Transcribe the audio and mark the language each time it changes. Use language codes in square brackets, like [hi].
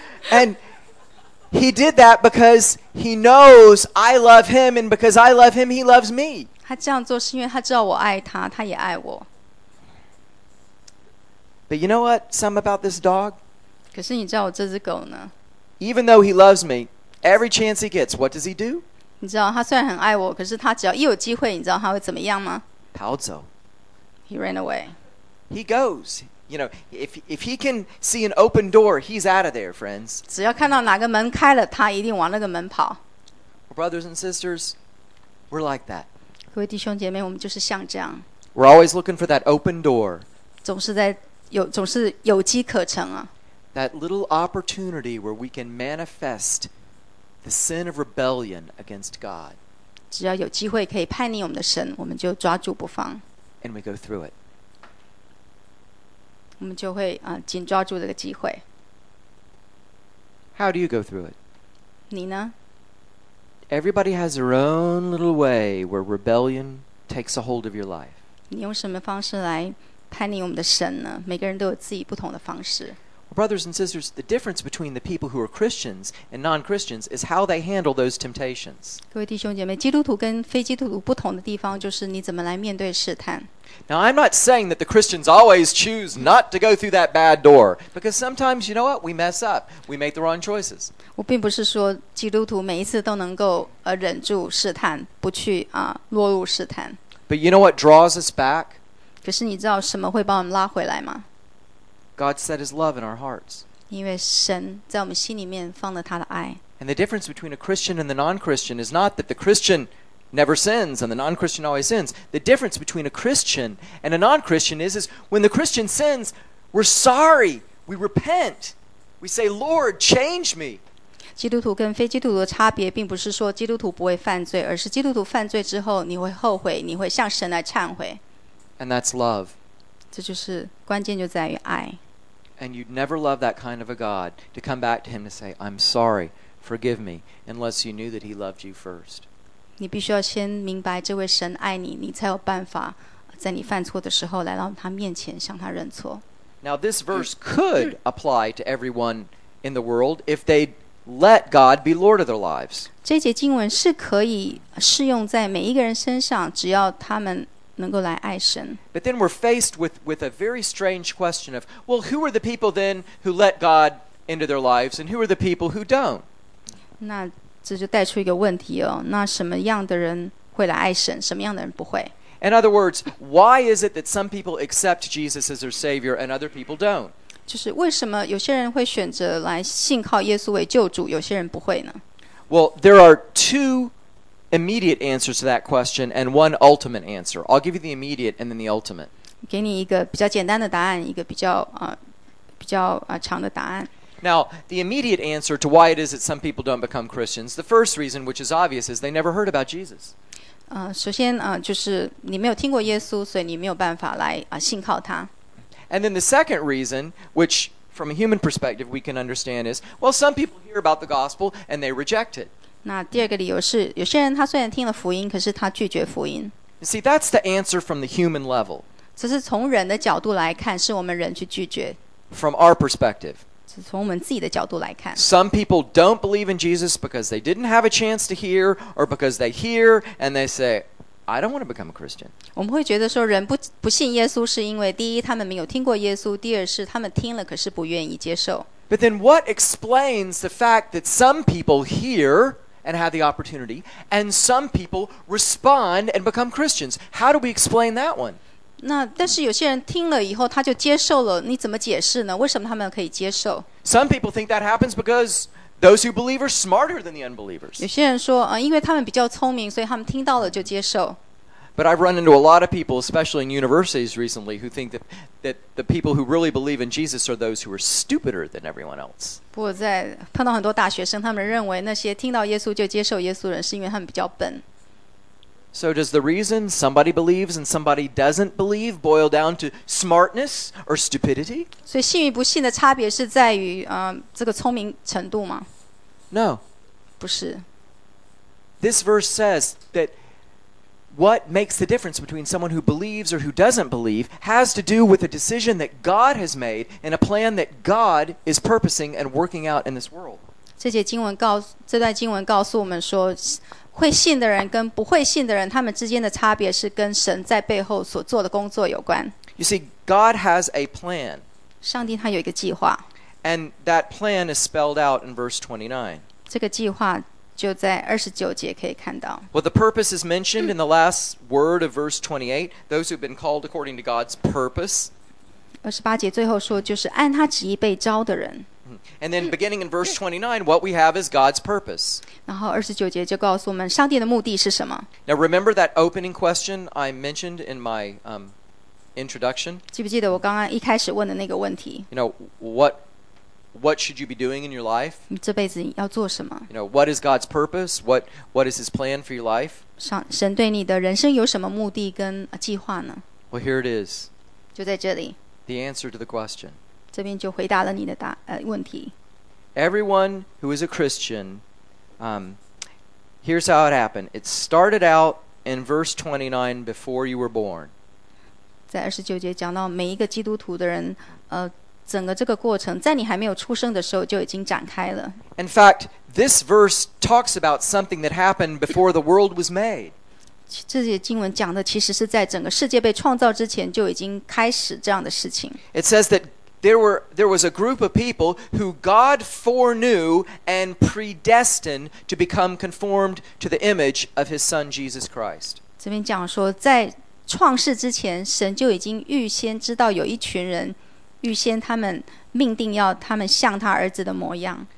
[en] And he did that because he knows I love him, and because I love him, he loves me. [zh] 他这样做是因为他知道我爱他，他也爱我。 [en] But you know what? Some about this dog. [zh] 可是你知道我这只狗呢？ [en] Even though he loves me, every chance he gets, what does he do? [zh] 你知道他虽然很爱我，可是他只要一有机会，你知道他会怎么样吗？跑走。 [en] He ran away. He goes. You know, if he can see an open door, he's out of there, friends. [zh] 只要看到哪个门开了，他一定往那个门跑。 [en] Well, brothers and sisters, we're like that. [zh] 各位弟兄姐妹，我们就是像这样。 [en] We're always looking for that open door. [zh] 总是有机可乘啊。 [en] That little opportunity where we can manifest the sin of rebellion against God. [zh] 只要有机会可以叛逆我们的神，我们就抓住不放。 [en] And we go through it. [zh] 我们就会紧抓住这个机会。 [en] How do you go through it? [zh] 你呢? [en] Everybody has their own little way where rebellion takes a hold of your life. [zh] 你用什么方式来叛逆我们的神呢？每个人都有自己不同的方式。 [en] Brothers and sisters, the difference between the people who are Christians and non-Christians is how they handle those temptations. [zh] 各位弟兄姐妹，基督徒跟非基督徒不同的地方就是你怎么来面对试探。 [en] Now, I'm not saying that the Christians always choose not to go through that bad door, because sometimes, you know what, we mess up. We make the wrong choices. [zh] 我并不是说基督徒每一次都能够忍住试探，不去落入试探。 [en] But you know what draws us back? [zh] 可是你知道什么会把我们拉回来吗？ [en] God set his love in our hearts. [zh] 因为神在我们心里面放了他的爱。 [en] And the difference between a Christian and the non-Christian is not that the Christian never sins and the non-Christian always sins. The difference between a Christian and a non-Christian is when the Christian sins, we're sorry, we repent. We say, Lord, change me. [zh] 基督徒跟非基督徒的差别并不是说基督徒不会犯罪，而是基督徒犯罪之后你会后悔，你会向神来忏悔。 [en] And that's love. [zh] 这就是关键就在于爱。 [en] And you'd never love that kind of a God to come back to him to say, I'm sorry, forgive me, unless you knew that he loved you first. [zh] 你必须要先明白这位神爱你，你才有办法在你犯错的时候来到他面前向他认错。 [en] Now this verse could apply to everyone in the world if they'd let God be Lord of their lives. [zh] 这节经文是可以适用在每一个人身上，只要他们能够来爱神。 [en] But then we're faced with a very strange question of, well, who are the people then who let God into their lives, and who are the people who don't? [zh] 那这就带出一个问题哦，那什么样的人会来爱神，什么样的人不会？ [en] In other words, why is it that some people accept Jesus as their Savior and other people don't? [zh] 就是为什么有些人会选择来信靠耶稣为救主，有些人不会呢？ [en] Well, there are two immediate answers to that question and one ultimate answer. I'll give you the immediate and then the ultimate. [zh] 给你一个比较简单的答案，一个比较长的答案。 [en] Now, the immediate answer to why it is that some people don't become Christians, the first reason, which is obvious, is they never heard about Jesus. [zh] 首先就是你没有听过耶稣，所以你没有办法来信靠他。 [en] And then the second reason, which from a human perspective we can understand is, well, some people hear about the gospel and they reject it. [zh] 那第二个理由是，有些人他虽然听了福音，可是他拒绝福音。 [en] You see, that's the answer from the human level. [zh] 这是从人的角度来看，是我们人去拒绝。 [en] From our perspective. [zh] 这是从我们自己的角度来看。 [en] Some people don't believe in Jesus because they didn't have a chance to hear, or because they hear and they say, I don't want to become a Christian. [zh] 我们会觉得说，人不信耶稣是因为第一，他们没有听过耶稣；第二是他们听了，可是不愿意接受。 [en] But then what explains the fact that some people hear and have the opportunity and some people respond and become Christians? How do we explain that one? [zh] 那但是有些人听了以后他就接受了，你怎么解释呢？为什么他们可以接受？ [en] Some people think that happens because those who believe are smarter than the unbelievers. [zh] 有些人说因为他们比较聪明，所以他们听到了就接受。 [en] But I've run into a lot of people, especially in universities recently, who think that the people who really believe in Jesus are those who are stupider than everyone else. [zh] 不过在碰到很多大学生，他们认为那些听到耶稣就接受耶稣的人是因为他们比较笨。 [en] So does the reason somebody believes and somebody doesn't believe boil down to smartness or stupidity? [zh] 所以信与不信的差别是在于这个聪明程度吗？ [en] No. [zh] 不是。 [en] This verse says that what makes the difference between someone who believes or who doesn't believe has to do with a decision that God has made and a plan that God is purposing and working out in this world. [zh] 这段经文告诉我们说，会信的人跟不会信的人，他们之间的差别是跟神在背后所做的工作有关。 [en] You see, God has a plan. [zh] 上帝他有一个计划。 [en] And that plan is spelled out in verse 29. [zh] 这个计划就在29节可以看到。 [en] Well, the purpose is mentioned in the last word of verse 28, those who have been called according to God's purpose. [zh] 28节最后说就是按他旨意被招的人。 [en] And then beginning in verse 29, what we have is God's purpose. [zh] 然后29节就告诉我们上帝的目的是什么。 [en] Now remember that opening question I mentioned in my introduction? [zh] 记不记得我刚刚一开始问的那个问题？ [en] You know, what should you be doing in your life? [zh] 这辈子要做什么? [en] You know, what is God's purpose? What is his plan for your life? [zh] 神对你的人生有什么目的跟计划呢? [en] Well, here it is. [zh] 就在这里。 [en] The answer to the question. [zh] 这边就回答了你的问题。 [en] everyone who is a Christian, here's how it happened. It started out in verse 29 before you were born. [zh] 在二十九节讲到每一个基督徒的人，整个这个过程在你还没有出生的时候就已经展开了。 [en] In fact, this verse talks about something that happened before the world was made. [zh] 这节经文讲的其实是在整个世界被创造之前就已经开始这样的事情。 [en] It says that there was a group of people who God foreknew and predestined to become conformed to the image of His Son Jesus Christ. [zh] 这边讲说在创世之前，神就已经预先知道有一群人，预先他们命定要他们像他儿子的模样。